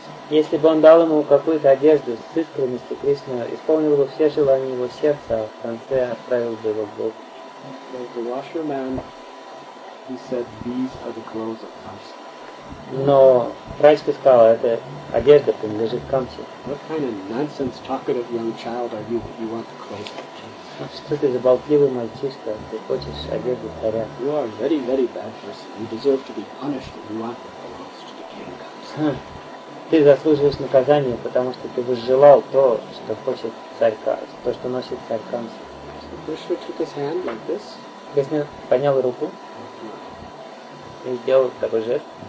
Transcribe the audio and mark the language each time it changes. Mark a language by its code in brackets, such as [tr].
[ru] Если бы он дал ему какую-то одежду с искренностью, Кришна исполнил бы все желания его сердца, а в конце отправил бы его к Богу. [en] The washerman, he said, these are the clothes of Kamsa. [ru] Но прачка сказала, это одежда принадлежит Камсе. [en] What kind of nonsense, talkative young child are you? You want the clothes of Kamsa? [ru] Что ты за болтливый мальчишка? Ты хочешь одежду царя? [en] You are a very, very bad person. You deserve to be punished if you want the clothes to the king Kamsa. [ru] Ты заслуживаешь наказание, потому что ты возжелал то, что хочет царь Камсе, то, что носит царь Камсе. [en] Кришна took his hand like this. [ru] Кришна поднял руку и сделал такой жест.